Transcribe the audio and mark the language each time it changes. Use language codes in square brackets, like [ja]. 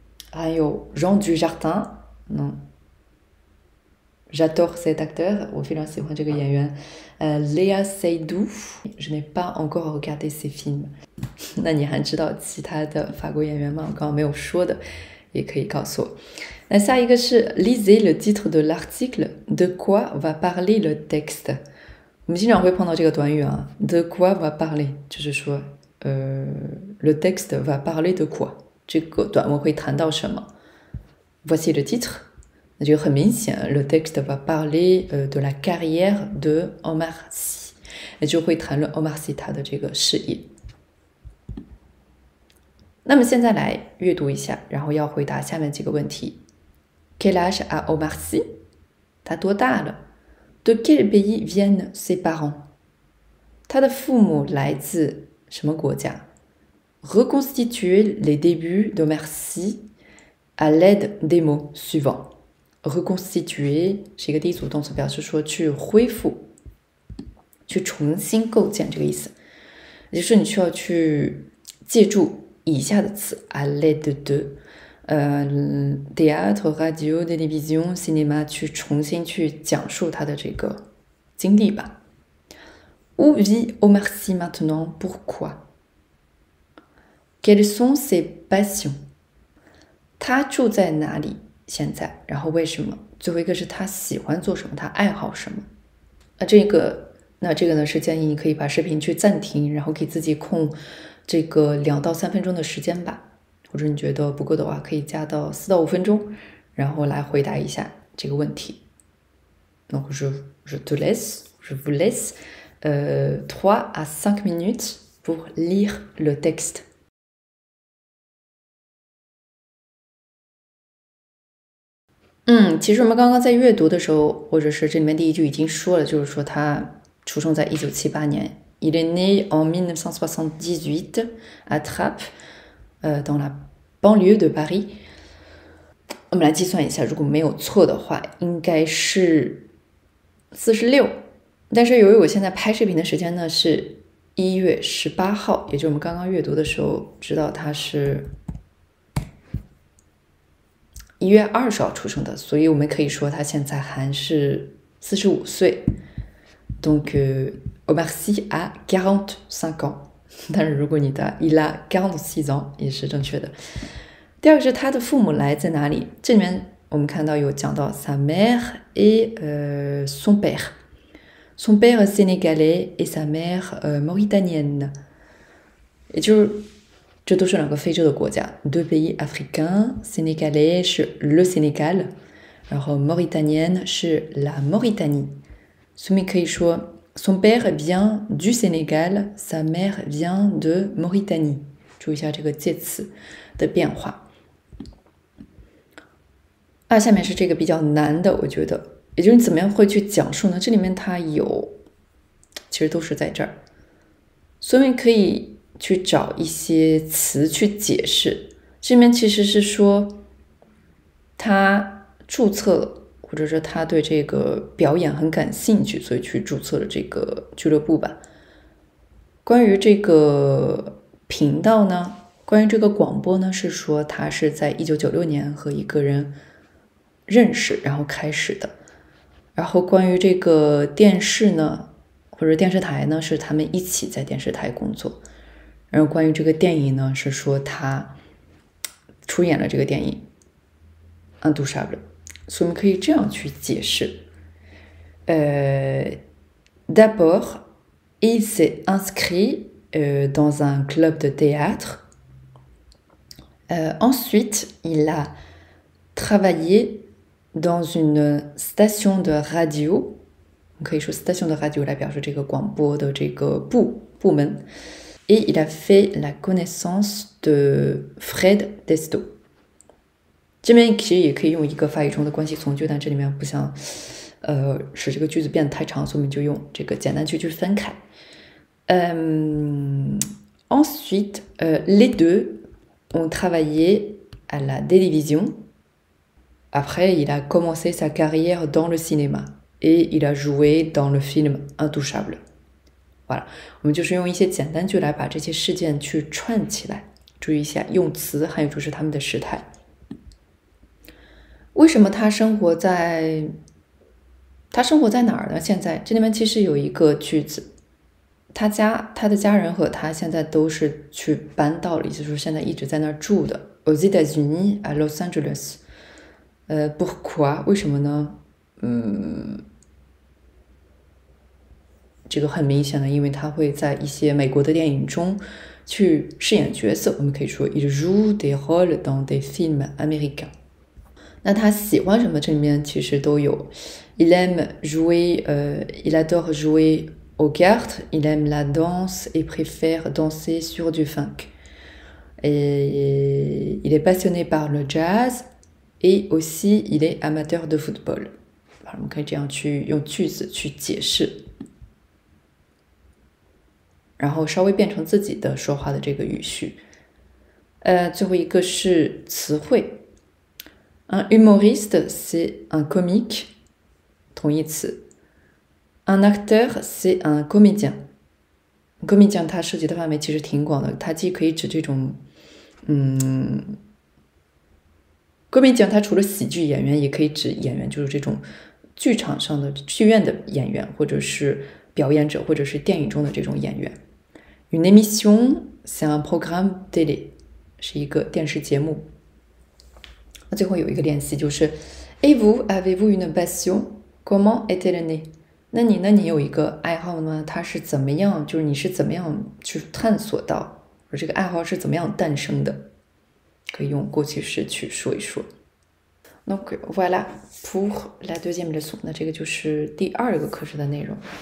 [zh] 还有 Jean Dujardin， [fr] j'adore cet acteur， [zh] 我非常喜欢这个演员。 [fr] Léa Seydoux，je n'ai pas encore regardé ses films。 [zh] 那你还知道其他的法国演员吗？我刚刚没有说的，也可以告诉我。那下一个是 [fr] Lisez le titre de l'article。 De quoi va parler le texte？ [zh] 我们经常会碰到这个短语啊， [fr] De quoi va parler？ [zh] 就是说， [fr] le texte va parler de quoi？ [zh] 这个短文会谈到什么？ [fr] Voici le titre， [zh] 那就很明显， [fr] le texte va parler de la carrière de Omar Sy， [zh] 那就会谈论 Omar Sy 他的这个事业。那么现在来阅读一下，然后要回答下面几个问题： [fr] Quel âge a Omar Sy？ [zh] 他多大了？ [fr] De quel pays viennent ses parents？ [zh] 他的父母来自什么国家？ [fr] Reconstituer les débuts d'Omar Sy à l'aide des mots suivants. Reconstituer, c'est le premier verbe, ça veut dire tu refais, tu reconstitues, c'est ça. C'est-à-dire que tu dois utiliser les suivants à l'aide de théâtre, radio, télévision, cinéma, tu reconstitues son expérience. Où vit Omar Sy maintenant? Pourquoi? Quelles sont ses passions？ [zh] 他住在哪里现在？然后为什么？最后一个是他喜欢做什么？他爱好什么？那这个呢是建议你可以把视频去暂停，然后给自己空这个2到3分钟的时间吧。或者你觉得不够的话，可以加到4到5分钟，然后来回答一下这个问题。 [fr] Donc je te laisse, je vous laisse 3 à 5 minutes pour lire le texte. [zh] 其实我们刚刚在阅读的时候，或者是这里面第一句已经说了，就是说他出生在1978年， [fr] Il est né en 1978 à Trappes, dans la banlieue de Paris。 [zh] 我们来计算一下，如果没有错的话，应该是46。但是由于我现在拍视频的时间呢是1月18号，也就是我们刚刚阅读的时候知道他是。 1月20号出生的，所以我们可以说他现在还是45岁。 [fr] Donc, Omar Sy a 45 ans。 [zh] 但是如果你的 [fr] il a 46 ans [zh] 也是正确的。第二个是他的父母来自哪里？这里面我们看到有讲到 [fr] sa mère et son père，son père sénégalais et sa mère mauritanienne， [zh] 也就是。这都是两个非洲的国家， [fr] deux pays africains， [zh] sénégalais 是 le Sénégal，然后 mauritanienne 是 la Mauritanie。所以可以说， [fr] son père vient du Sénégal，sa mère vient de Mauritanie。 [zh] 注意一下这个介词的变化。下面是这个比较难的，我觉得，也就是你怎么样会去讲述呢？这里面它有其实都是在这儿。说明可以去找一些词去解释，这边其实是说他注册了，或者说他对这个表演很感兴趣，所以去注册了这个俱乐部吧。关于这个频道呢，关于这个广播呢，是说他是在1996年和一个人认识，然后开始的。然后关于这个电视呢，或者电视台呢，是他们一起在电视台工作。然后关于这个电影呢，是说他出演了这个电影《安杜莎》的，所以我们可以这样去解释。 [fr] D'abord, il s'est inscrit dans un club de théâtre. Ensuite, il a travaillé dans une station de radio. [zh] 可以说 station de radio 来表示这个广播的这个部门。 [fr] Et il a fait la connaissance de Fred Testo。 [zh] 这边其实也可以用一个法语中的关系从句，但这里面不想，使这个句子变得太长，所以我们就用这个简单句去分开。 [fr] Ensuite, les deux ont travaillé à la télévision. Après, il a commencé sa carrière dans le cinéma. Et il a joué dans le film Intouchable. [zh] Voilà, 我们就是用一些简单句来把这些事件去串起来。注意一下用词，还有就是他们的时态。为什么他生活在哪儿呢？现在这里面其实有一个句子，他的家人和他现在都是去搬到了，意思说现在一直在那儿住的。 [fr] Aux États-Unis, à Los Angeles. Pourquoi？ [zh] 为什么呢？这个很明显的，因为他会在一些美国的电影中去饰演角色。我们可以说 [fr] il joue des rôles dans des films américains。 [zh] 那他喜欢什么？这里面其实都有。 [fr] Il adore jouer aux cartes. Il aime la danse et préfère danser sur du funk. Et il est passionné par le jazz et aussi il est amateur de football. [zh] 好，我们可以这样去用句子去解释。然后稍微变成自己的说话的这个语序，最后一个是词汇， [fr] un humoriste c'est un comique，同义词，un acteur c'est un comédien， [zh] comédien 它涉及的范围其实挺广的，它既可以指这种，comédien 它除了喜剧演员，也可以指演员，就是这种剧场上的剧院的演员，或者是表演者，或者是电影中的这种演员。 [fr] Une émission, c'est un programme télé， [zh] 是一个电视节目。那最后有一个练习，就是 [fr] Et vous, avez-vous une passion? Comment est-elle née？ [zh] 那你呢？你有一个爱好吗？它是怎么样？就是你是怎么样去探索到，而这个爱好是怎么样诞生的？可以用过去式去说一说。 [fr] Donc voilà pour la deuxième leçon。 [zh] 那这个就是第二个课时的内容。